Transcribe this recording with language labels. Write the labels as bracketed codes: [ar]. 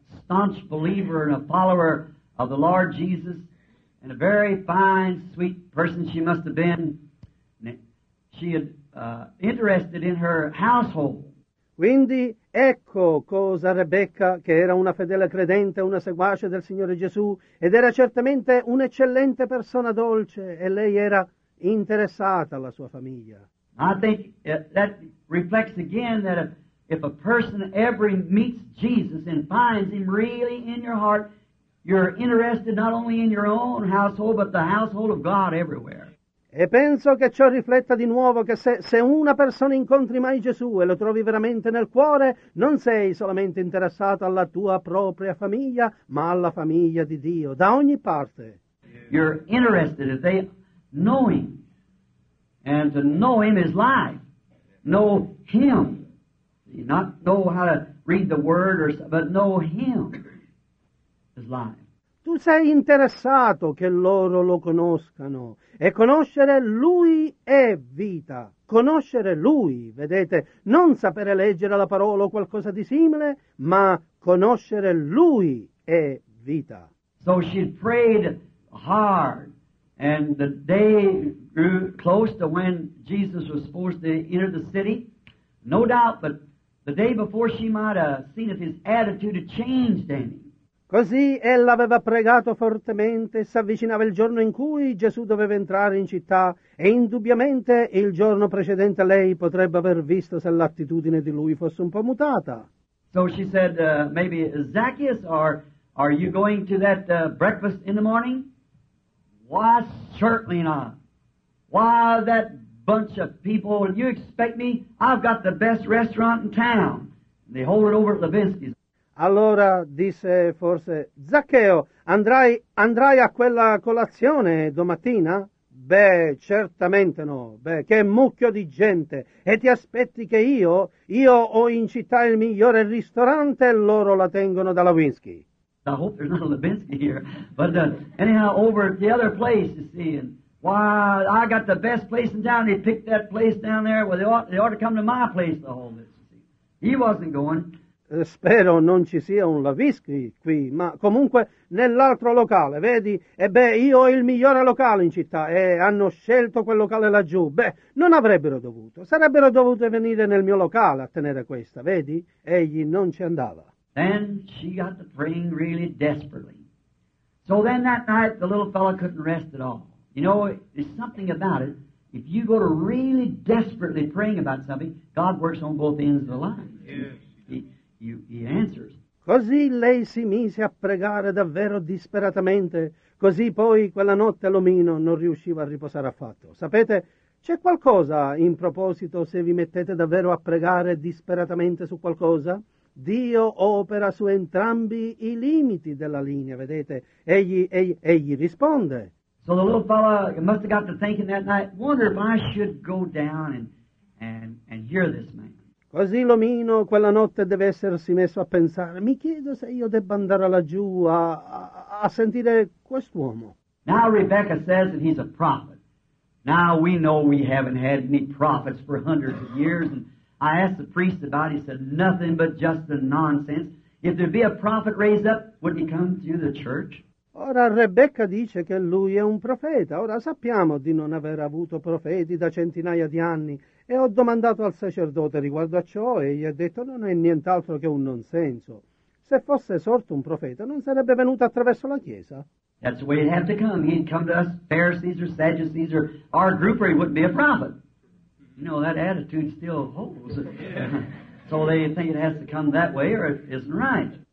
[en] staunch believer and a follower of the Lord Jesus, and a very fine, sweet person she must have been. She had interested in her household. [it] Quindi ecco cosa Rebecca, che era una fedele credente, una seguace del Signore Gesù, ed era certamente un'eccellente persona dolce, e lei era interessata alla sua famiglia. [en] I think that reflects again that if a person ever meets Jesus and finds him really in your heart, you're interested not only in your own household, but the household of God everywhere. [it] E penso che ciò rifletta di nuovo che se una persona incontri mai Gesù e lo trovi veramente nel cuore, non sei solamente interessato alla tua propria famiglia, ma alla famiglia di Dio, da ogni parte. [en] You're interested if they know him. And to know him is life. Know him. Not know how to read the word, or, but know him is life. [it] Tu sei interessato che loro lo conoscano, e conoscere Lui è vita. Conoscere Lui, vedete, non sapere leggere la parola o qualcosa di simile, ma conoscere Lui è vita. [en] So she prayed hard, and the day grew close to when Jesus was supposed to enter the city. No doubt, but the day before she might have seen if his attitude had changed any. [it] Così ella aveva pregato fortemente, si avvicinava il giorno in cui Gesù doveva entrare in città, e indubbiamente il giorno precedente lei potrebbe aver visto se l'attitudine di lui fosse un po' mutata. [en] So she said, maybe Zacchaeus, are you going to that breakfast in the morning? Why, certainly not. Why, that bunch of people, you expect me? I've got the best restaurant in town. And they hold it over at Levinsky's. [it] Allora disse forse, Zaccheo, andrai a quella colazione domattina? Beh, certamente no. Beh, che mucchio di gente. E ti aspetti che io ho in città il migliore ristorante e loro la tengono da Levinsky. [en] I hope there's not a Levinsky here. But anyhow, over at the other place, you see. And, why, I got the best place in town. They picked that place down there. Well, they ought to come to my place to hold this. He wasn't going. [it] Spero non ci sia un Levinsky qui, ma comunque nell'altro locale, vedi? E beh, io ho il migliore locale in città e hanno scelto quel locale laggiù. Beh, non avrebbero dovuto. Sarebbero dovute venire nel mio locale a tenere questa, vedi? Egli non ci andava. [en] Then she got to praying really desperately. So then that night the little fellow couldn't rest at all. You know, there's something about it. If you go to really desperately praying about something, God works on both ends of the line. Yes. He answers. [it] Così lei si mise a pregare davvero disperatamente. Così poi quella notte l'omino non riusciva a riposare affatto. Sapete, c'è qualcosa in proposito se vi mettete davvero a pregare disperatamente su qualcosa? Dio opera su entrambi i limiti della linea, vedete? Egli risponde. [en] So the little fella must have got to thinking that night, wonder if I should go down and hear this man. [it] Così l'omino quella notte deve essersi messo a pensare, mi chiedo se io debba andare laggiù a sentire quest'uomo. [en] Now Rebecca says that he's a prophet. Now we know we haven't had any prophets for hundreds of years. And I asked the priest about it, he said, nothing but just the nonsense. If there'd be a prophet raised up, wouldn't he come to the church? [it] Ora Rebecca dice che lui è un profeta. Ora sappiamo di non aver avuto profeti da centinaia di anni. E ho domandato al sacerdote riguardo a ciò e gli ha detto non è nient'altro che un nonsenso. Se fosse sorto un profeta, non sarebbe venuto attraverso la Chiesa. [en] That's the way he'd have to come. He'd come to us, Pharisees or Sadducees or our group, or he wouldn't be a prophet. You know, that attitude still holds. So they think it has to come that way or it isn't right.